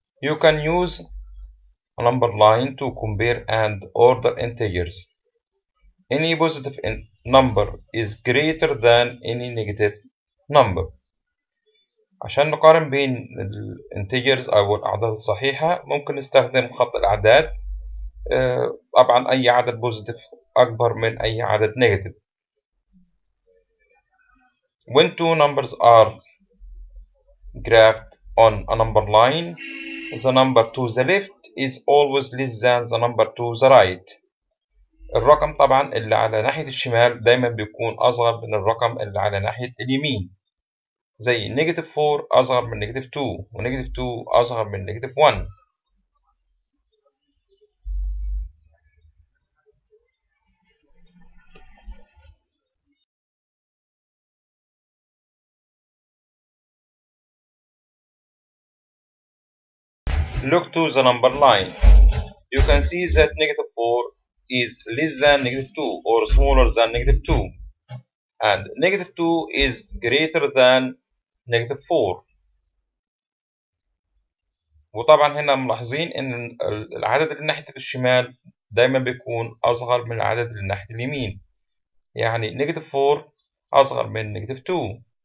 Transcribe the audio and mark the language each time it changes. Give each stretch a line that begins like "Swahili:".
English: You can use a number line to compare and order integers. Any positive number is greater than any negative number.
Arabic: عشان نقارن بين ال integers أو الأعداد الصحيحة ممكن نستخدم خط الأعداد، طبعا أي عدد positive أكبر من أي عدد negative.
English: When two numbers are graphed on a number line, the number to the left is always less than the number to the right.
Arabic: الرقم طبعا اللي على ناحية الشمال دايما بيكون أصغر من الرقم اللي على ناحية اليمين، زي negative 4 أصغر من negative 2 و negative 2 أصغر من negative 1.
English: Look to the number line. You can see that negative 4 is less than negative 2 or smaller than negative 2. And negative 2 is greater than negative 4.
Arabic: وطبعا هنا ملاحظين ان العدد اللي ناحية الشمال دايما بيكون اصغر من العدد اللي ناحية اليمين. يعني negative 4 اصغر من negative 2.